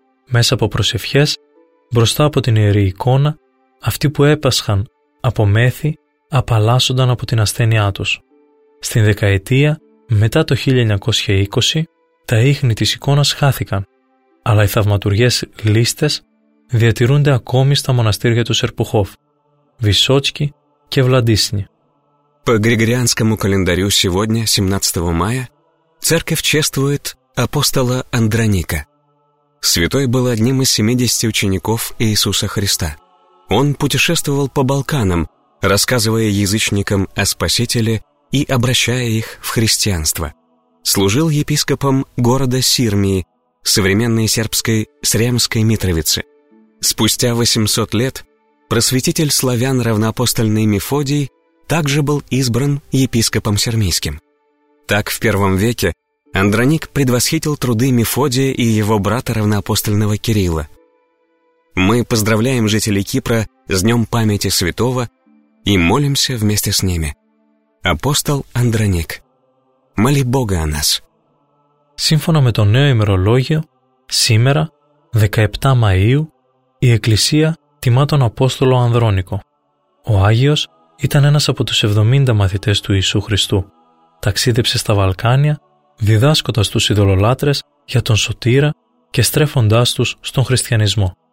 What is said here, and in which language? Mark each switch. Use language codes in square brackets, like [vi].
[el] Μέσα από προσευχές, μπροστά από την ιερή εικόνα, αυτοί που έπασχαν από μέθη απαλλάσσονταν από την ασθένειά τους. Στην δεκαετία μετά το 1920, τα ίχνη της εικόνας χάθηκαν, αλλά οι θαυματουργές λίστες διατηρούνται ακόμη στα μοναστήρια του Σερπουχόφ, Βυσότσκι και Βλαντίσνη. [ru] По Григорианскому календарю сегодня, 17 мая, церковь чествует апостола Андроника. Святой был одним из 70 учеников Иисуса Христа. Он путешествовал по Балканам, рассказывая язычникам о Спасителе и обращая их в христианство. Служил епископом города Сирмии, современной сербской Сремской Митровицы. Спустя 800 лет просветитель славян равноапостольный Мефодий также был избран епископом сермийским. Так, в первом веке Андроник предвосхитил труды Мефодия и его брата равноапостольного Кирилла. Мы поздравляем жителей Кипра с Днем памяти святого и молимся вместе с ними. Апостол Андроник, моли Бога о нас. [el] Σύμφωνα με το νέο ημερολόγιο, σήμερα, 17 Μαΐου, η Εκκλησία τιμά τον Απόστολο Ανδρόνικο. Ο Άγιος ήταν ένας από τους 70 μαθητές του Ιησού Χριστού. Ταξίδεψε στα Βαλκάνια, διδάσκοντας τους ειδωλολάτρες για τον Σωτήρα και στρέφοντάς τους στον Χριστιανισμό.